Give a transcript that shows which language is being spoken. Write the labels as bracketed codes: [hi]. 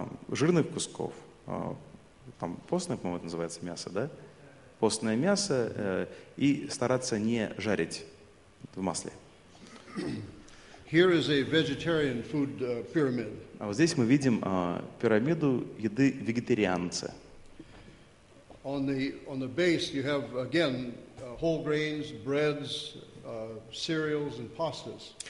[ru] жирных кусков, там постное, по-моему, это называется мясо, да? Постное мясо, и стараться не жарить в масле. [en] Here is a vegetarian food pyramid. [ru] А вот здесь мы видим пирамиду еды вегетарианца. [en] On the base you have again whole grains, breads, cereals and pastas.